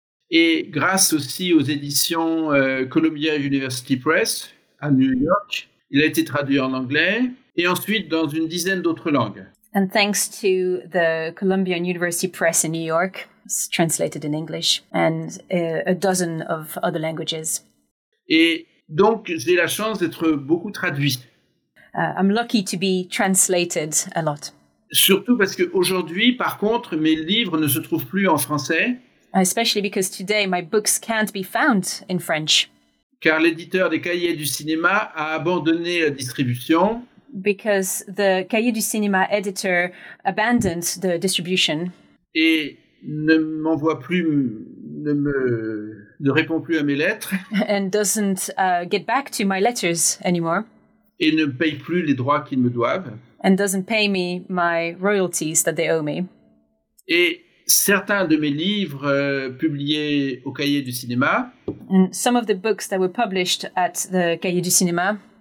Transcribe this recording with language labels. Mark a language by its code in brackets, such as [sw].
[fr] Et grâce aussi aux éditions Columbia University Press à New York, il a été traduit en anglais et ensuite dans une dizaine d'autres langues. [en] And thanks to the Columbia University Press in New York, it's translated in English and a dozen of other languages. [fr] Et donc j'ai la chance d'être beaucoup traduit. [en] I'm lucky to be translated a lot. [fr] Surtout parce qu'aujourd'hui, par contre, mes livres ne se trouvent plus en français. [en] Especially because today my books can't be found in French. [fr] Car l'éditeur des Cahiers du Cinéma a abandonné la distribution. [en] Because the Cahiers du Cinéma editor abandoned the distribution. [fr] Et ne m'envoie plus, ne répond plus à mes lettres. [en] And doesn't get back to my letters anymore. [fr] Et ne paye plus les droits qu'ils me doivent. [en] And doesn't pay me my royalties that they owe me. [fr] Et certains de mes livres publiés au Cahier du Cinéma. [en] And some of the books that were published at the Cahier du Cinéma.